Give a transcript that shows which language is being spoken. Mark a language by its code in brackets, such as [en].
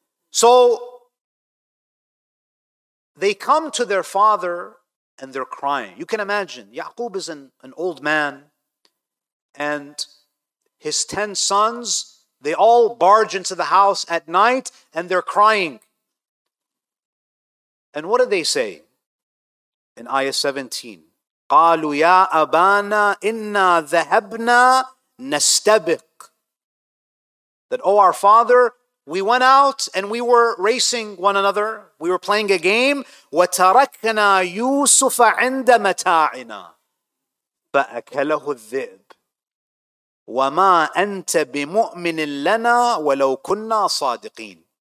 [en] So they come to their father and they're crying. You can imagine, Yaqub is an old man, and his 10 sons, they all barge into the house at night and they're crying. And what did they say? [ar] In Ayah 17, قَالُوا يَا أَبَانَا إِنَّا ذَهَبْنَا نَسْتَبِقُ. [en] That, oh, our father, we went out and we were racing one another. [ar] We were playing a game. وَتَرَكْنَا يُوسُفَ عِنْدَ مَتَاعِنَا فَأَكَلَهُ الذِّئْبُ. وَمَا أَنْتَ بِمُؤْمِنٍ لَنَا وَلَوْ كُنَّا صَادِقِينَ.